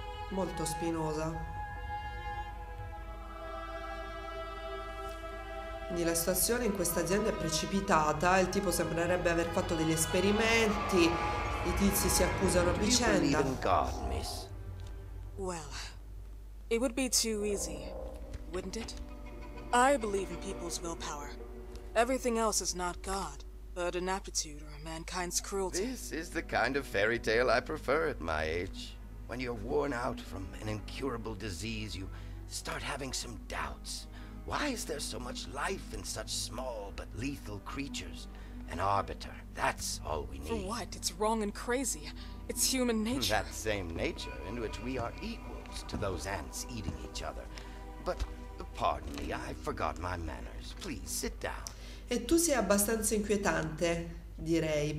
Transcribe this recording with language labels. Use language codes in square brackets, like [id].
[it] Molto spinosa. Quindi la situazione in questa azienda è precipitata. Il tipo sembrerebbe aver fatto degli esperimenti. I tizi si accusano a vicenda. [en] God, miss? Well, it would be too easy, wouldn't it? I believe in people's willpower. Everything else is not God, but an aptitude or mankind's cruelty. This is the kind of fairy tale I prefer at my age. When you're worn out from an incurable disease, you start having some doubts. Why is there so much life in such small but lethal creatures? An arbiter, that's all we need. What? It's wrong and crazy. It's human nature. That same nature in which we are equals to those ants eating each other. But pardon me, I forgot my manners. Please sit down. [it] E tu sei abbastanza inquietante, direi.